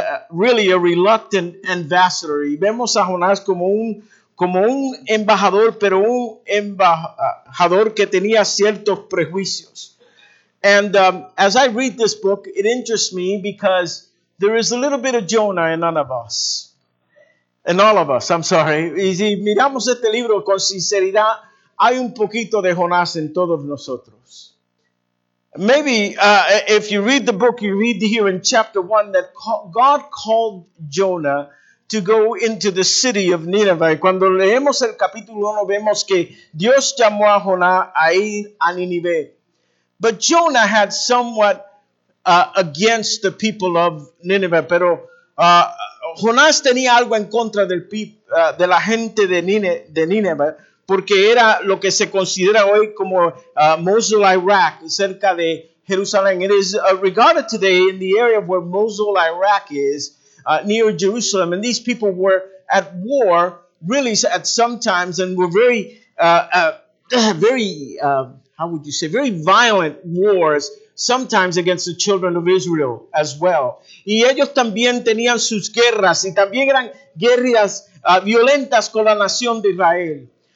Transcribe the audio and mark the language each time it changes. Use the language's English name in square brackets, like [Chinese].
[English] Really a reluctant ambassador. [Spanish] Y vemos a Jonás como un embajador, pero un embajador que tenía ciertos prejuicios. [English] And as I read this book, it interests me because there is a little bit of Jonah in none of us. In all of us, I'm sorry. [Spanish] Y si miramos este libro con sinceridad, hay un poquito de Jonás en todos nosotros. [English] Maybe if you read the book, you read here in chapter 1 that God called Jonah to go into the city of Nineveh. [Spanish] Cuando leemos el capítulo 1, vemos que Dios llamó a Jonah a ir a Nínive. [English] But Jonah had somewhat against the people of Nineveh. [Spanish] Pero Jonás tenía algo en contra de la gente de Nínive, porque era lo que se considera hoy como Mosul, Iraq, cerca de Jerusalén. [English] It is regarded today in the area where Mosul, Iraq is, near Jerusalem. And these people were at war, really, at some times, and were very, very violent wars, sometimes against the children of Israel as well. [Spanish] Y ellos también tenían sus guerras, y también eran guerrillas violentas con la nación de Israel.